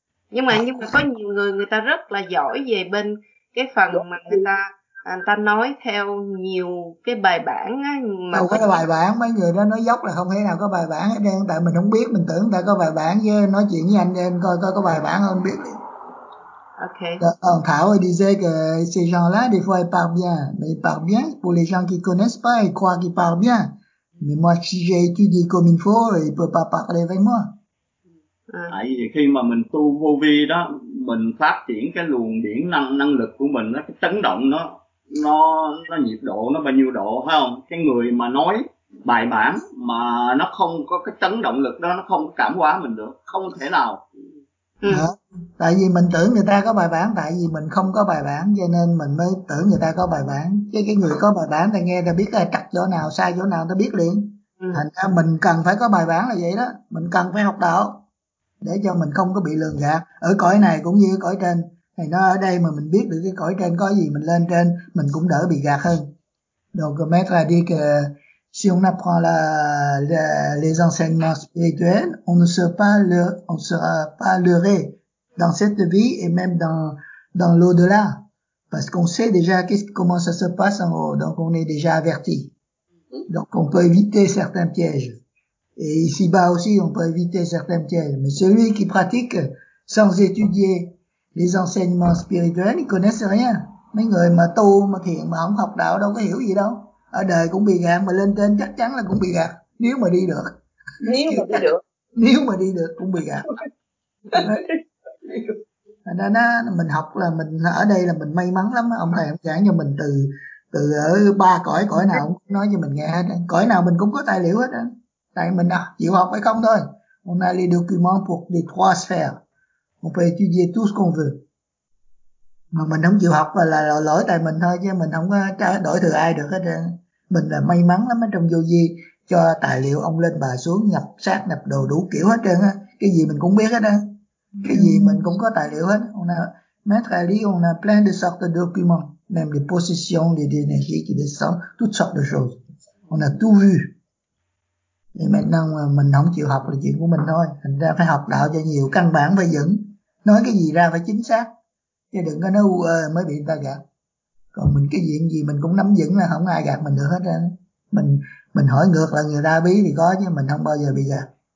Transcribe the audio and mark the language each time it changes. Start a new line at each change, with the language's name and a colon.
Vietnamese: Nhưng mà có nhiều người, người ta rất là giỏi về bên cái phần mà người ta nói theo nhiều cái bài bản á, mà đâu có bài bản, mấy người đó nói dốc là không thể nào có bài bản hết, tại mình không biết, mình tưởng người ta có bài bản chứ nói chuyện với anh em coi có bài bản không biết. Ok.
French: Thảo disait que ces gens-là des fois ils parlent bien, mais ils parlent bien pour les gens qui connaissent pas, ils croient qu'ils parlent bien, mais moi si j'ai étudié comme il faut, ils peuvent pas parler avec moi.
Vietnamese: Tại vì khi mà mình tu vô vi đó, mình phát triển cái luồng điển năng lực của mình, cái chấn động nó nhiệt độ nó bao nhiêu độ, phải không? Cái người mà nói bài bản mà nó không có cái chấn động lực đó, nó không cảm hóa mình được, không thể nào. Tại vì mình tưởng người ta có bài bản, tại vì mình không có bài bản cho nên mình mới tưởng người ta có bài bản. Chứ cái người có bài bản ta nghe ta biết là cắt chỗ nào, sai chỗ nào ta biết liền. Thành ra mình cần phải có bài bản là vậy đó, mình cần phải học đạo để cho mình không có bị lường gạt. Ở cõi này cũng như cõi trên, thì nó ở đây mà mình biết được cái cõi trên có gì, mình lên trên mình cũng đỡ bị gạt hơn.
French: Donc maître a dit que si on apprend les enseignements spirituels, on ne sera pas leurré dans cette vie et même dans l'au-delà, parce qu'on sait déjà comment ça se passe en haut, donc on est déjà averti, donc on peut éviter certains pièges. Et ici-bas aussi, on peut éviter certains pièges. Mais celui qui pratique sans étudier les enseignements spirituels, il connaît rien.
Vietnamese: Mấy người mà tu, mà thiền, mà không học đạo đâu có hiểu gì đâu. Ở đời cũng bị gạt, mà lên trên chắc chắn là cũng bị gạt. Nếu mà đi được. Nếu mà đi được cũng bị gạt. Thành ra nó, mình học là mình ở đây là mình may mắn lắm. Ông thầy giảng cho mình từ ở ba cõi, cõi nào cũng nói cho mình nghe hết. Cõi nào mình cũng có tài liệu hết á. Tại mình đã chịu học hay không thôi.
French: On a les documents pour les trois sphères. On peut étudier tout ce qu'on veut.
Vietnamese: Mà mình không chịu học là lỗi tại mình thôi, chứ mình không có đổi thừa ai được hết. Mình là may mắn lắm, trong vô vi cho tài liệu ông lên bà xuống, nhập xác nhập đồ đủ kiểu hết trơn á. Cái gì mình cũng biết hết á. Cái gì mình cũng có tài liệu hết.
French: On a, maître a dit, on a plein de sortes de documents. Même les positions, les énergies qui descendent, toutes sortes de choses. On a tout vu.
Vietnamese: Thì
French: maintenant
Vietnamese: mình không chịu học là chuyện của mình thôi. Thành ra phải học đạo cho nhiều, căn bản phải vững. Nói cái gì ra phải chính xác, chứ đừng có nói u ơ mới bị người ta gạt. Còn mình cái chuyện gì mình cũng nắm vững là không ai gạt mình được hết. Mình hỏi ngược là người ta bí thì có, chứ mình không bao giờ bị gạt.